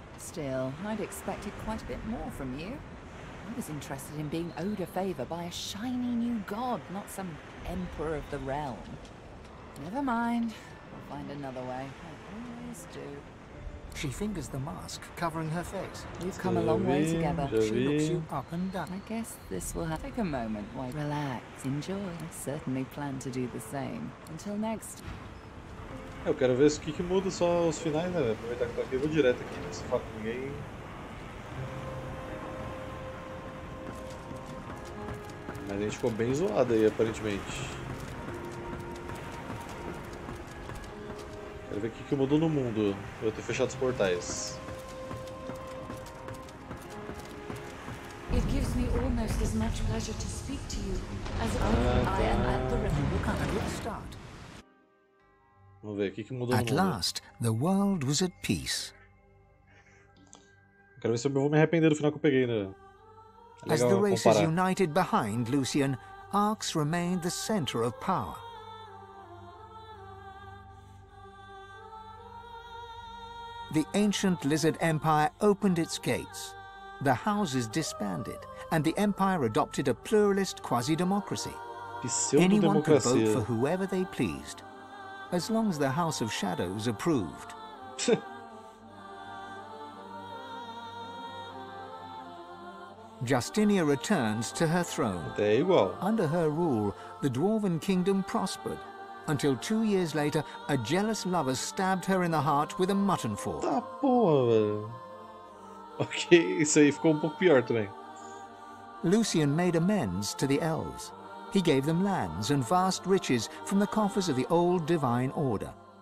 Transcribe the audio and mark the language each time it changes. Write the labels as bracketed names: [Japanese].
[English] Still, I'd expected quite a bit more from you. I was interested in being owed a favor by a shiny new god, not some emperor of the realm. Never mind. I'll find another way. I always do. She fingers the mask, covering her face. We've come a long way together. She looks you up and down. I guess this will have to take a moment while you relax. Enjoy. I certainly plan to do the same. Until next. [Portuguese] Eu quero ver o que muda só os finais, né? Aproveitar que tô aqui, vou direto aqui, não se fala com ninguém. Mas a gente ficou bem zoado aí, aparentemente. Quero ver o que mudou no mundo, eu ter fechado os portais. [English] It gives me almost as much pleasure to speak to you as if I am at the start. [Portuguese] Vamos ver, o que mudou no mundo? [English] At last, the world was at peace. [Portuguese] Quero ver se eu vou me arrepender do final que eu peguei, né? [English] As the races united behind Lucian, Arx remained the center of power. The ancient Lizard Empire opened its gates. The houses disbanded, and the Empire adopted a pluralist quasi-democracy. Anyone could vote for whoever they pleased, as long as the House of Shadows approved. Justinia returns to her throne. There you go. Under her rule, the Dwarven Kingdom prospered. Until 2 years later, a jealous lover stabbed her in the heart with a mutton fork. [Portuguese] Tá boa, velho. Ok, isso aí ficou um pouco pior também. [English] Lucian made amends to the elves. He gave them lands and vast riches from the coffers of the old divine order.